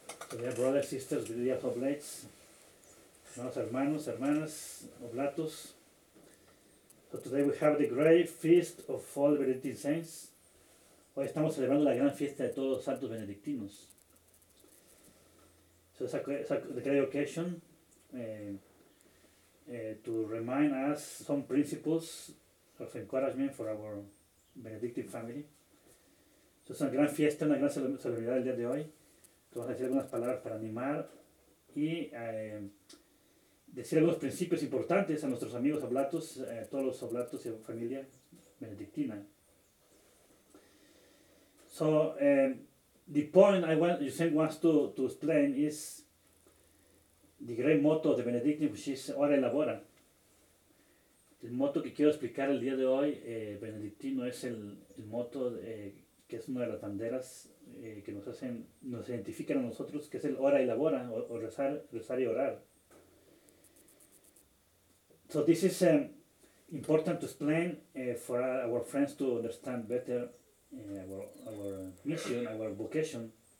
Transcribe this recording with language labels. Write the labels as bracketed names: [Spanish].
[Spanish] Señor, [English] brothers, sisters, brothers, oblates. [Spanish] Hermanos, hermanos, hermanas, oblatos. [English] So today we have the great feast of all Benedictine saints. [Spanish] Hoy estamos celebrando la gran fiesta de todos los santos benedictinos. [English] So it's a great occasion to remind us some principles of encouragement for our Benedictine family. [Spanish] So es una gran fiesta, una gran celebridad el día de hoy. Te vamos a decir algunas palabras para animar y decir algunos principios importantes a nuestros amigos oblatos, todos los oblatos y familia benedictina. [English] So the point I want you think wants to explain is the great motto of the Benedictine, which is Ora et Labora. [Spanish] El motto que quiero explicar el día de hoy, benedictino, es el motto que es una de las banderas que nos identifican a nosotros, que es el Ora et Labora, o rezar, rezar y orar. [English] So this is important to explain for our friends to understand better our mission, our vocation.